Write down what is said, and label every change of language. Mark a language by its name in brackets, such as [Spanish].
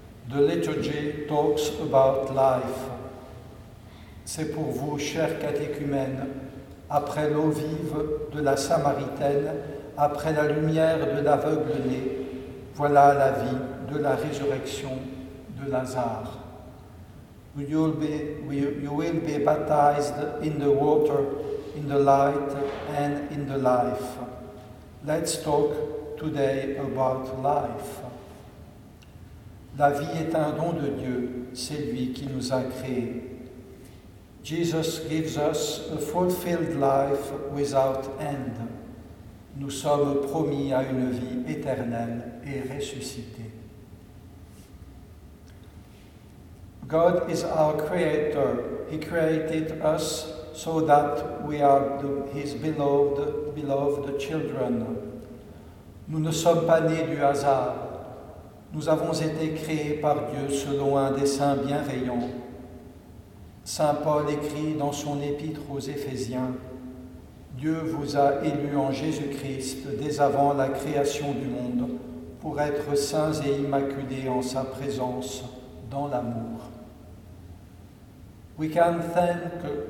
[English] The liturgy talks about life. [French] C'est pour vous, chers catéchumènes, après l'eau vive de la Samaritaine, après la lumière de l'aveugle-né, voilà la vie de la résurrection de Lazare. [English] You will be baptized in the water, in the light, and in the life. Let's talk today about life. [French] La vie est un don de Dieu, c'est lui qui nous a créés. [English] Jesus gives us a fulfilled life without end. [French] Nous sommes promis à une vie éternelle et ressuscitée. [English] God is our creator. He created us so that we are his beloved children. [French] Nous ne sommes pas nés du hasard. Nous avons été créés par Dieu selon un dessein bienveillant. Saint Paul écrit dans son épître aux Éphésiens, « Dieu vous a élus en Jésus-Christ dès avant la création du monde pour être saints et immaculés en sa présence dans l'amour. » [English] We can thank